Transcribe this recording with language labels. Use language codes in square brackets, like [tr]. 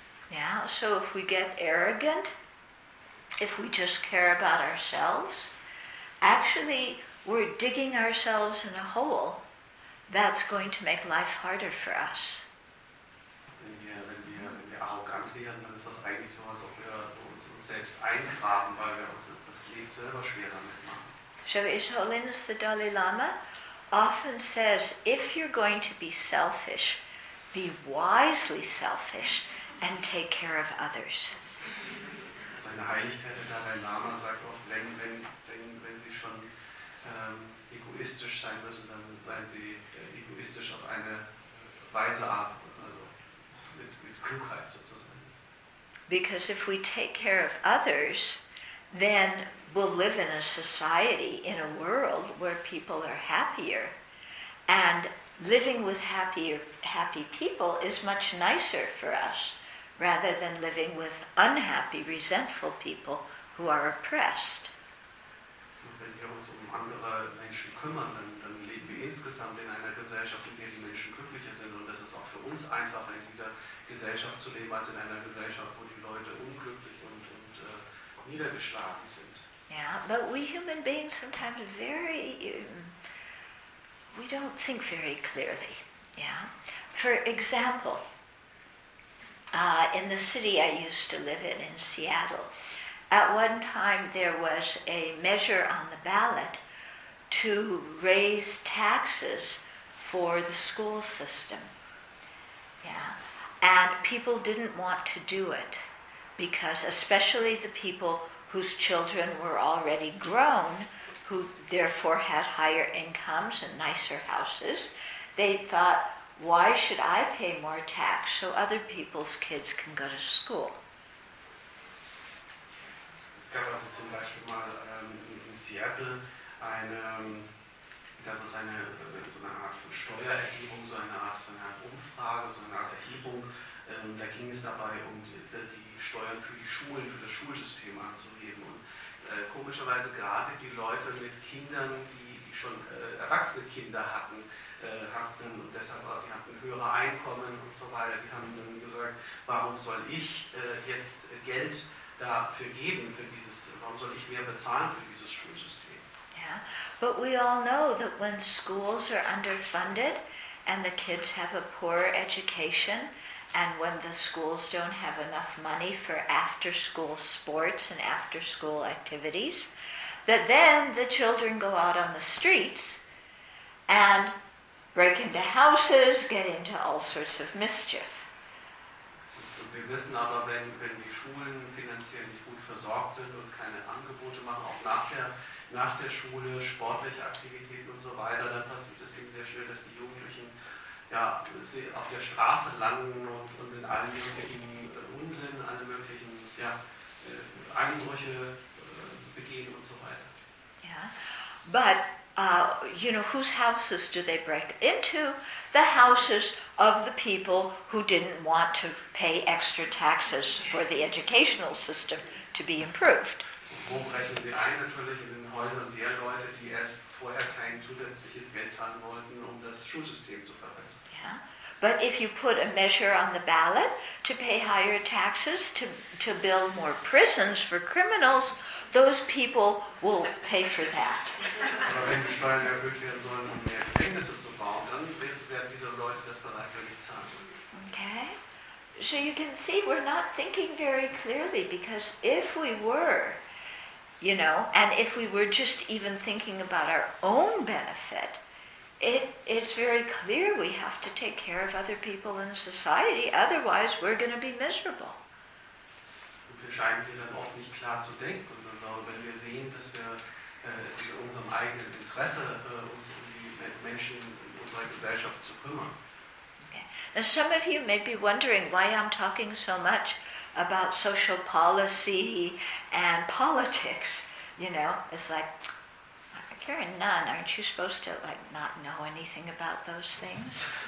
[en] Yeah, so if we get arrogant, if we just care about ourselves, actually we're digging ourselves in a hole that's going to make life harder for us. [de] Wenn wir arrogant werden, dann ist das eigentlich so, als ob wir uns selbst eingraben, weil wir uns das Leben selber schwerer mitmachen. [en] So His Holiness the Dalai Lama often says, if you're going to be selfish, be wisely selfish and take care of others. [de] Seine Heiligkeit der Dalai Lama sagt oft, wenn Sie schon egoistisch sein müssen, dann seien Sie egoistisch auf eine weise Art, also mit Klugheit sozusagen. [en] Because if we take care of others, then we'll live in a society, in a world where people are happier. And living with happy people is much nicer for us rather than living with unhappy, resentful people who are oppressed. [de] Wenn wir uns um andere Menschen kümmern, dann leben wir insgesamt in einer Gesellschaft, in der die Menschen glücklicher sind. Und das ist auch für uns einfacher, in dieser Gesellschaft zu leben, als in einer Gesellschaft, wo die Leute unglücklich und niedergeschlagen sind. [en] Yeah, but we human beings sometimes are very... we don't think very clearly, yeah? For example, In the city I used to live in Seattle, at one time there was a measure on the ballot to raise taxes for the school system. Yeah, and people didn't want to do it because, especially the people whose children were already grown, who therefore had higher incomes and nicer houses, they thought, why should I pay more tax so other people's kids can go to school? [de] Es gab also zum Beispiel mal in Seattle eine, das ist eine, so eine Art von Steuererhebung, so eine Art Umfrage, so eine Art Erhebung. Da ging es dabei um die Steuern für die Schulen, für das Schulsystem anzuheben. Und komischerweise gerade die Leute mit Kindern, die schon erwachsene Kinder hatten, hatten und deshalb die hatten höhere Einkommen und so weiter, die haben dann gesagt, warum soll ich jetzt Geld dafür geben, für dieses, warum soll ich mehr bezahlen für dieses Schulsystem? [en] Yeah. But we all know that when schools are underfunded and the kids have a poor education, and when the schools don't have enough money for after-school sports and after-school activities, that then the children go out on the streets and break into houses, get into all sorts of mischief. [de] Wir wissen aber, wenn die Schulen finanziell nicht gut versorgt sind und keine Angebote machen, auch nach der Schule, sportliche Aktivitäten und so weiter, dann passiert es eben sehr schnell, dass die Jugendlichen auf der Straße landen und in allen möglichen Unsinn, alle möglichen Einbrüche begehen und so weiter. [en] Yeah. But you know, whose houses do they break into? The houses of the people who didn't want to pay extra taxes for the educational system to be improved. [de] Wo brechen sie ein? Natürlich in den Häusern der Leute, die erst vorher kein zusätzliches Geld zahlen wollten, um das Schulsystem zu verbessern. [en] Yeah. But if you put a measure on the ballot to pay higher taxes, to build more prisons for criminals, those people will pay for that. [de] Aber wenn die Steuern erhöht werden sollen, um mehr Gefängnisse zu bauen, dann werden diese Leute das bereitwillig zahlen. [en] Okay. So you can see we're not thinking very clearly, because if we were, you know, and if we were just even thinking about our own benefit, it's very clear we have to take care of other people in society, otherwise we're going to be miserable. [de] Und wir scheinen hier dann oft nicht klar zu denken, und wenn wir sehen, dass wir es in unserem eigenen Interesse, uns um die Menschen in unserer Gesellschaft zu kümmern. [en] Okay. Now some of you may be wondering why I'm talking so much about social policy and politics, you know, it's like, you're a nun, aren't you supposed to like not know anything about those things?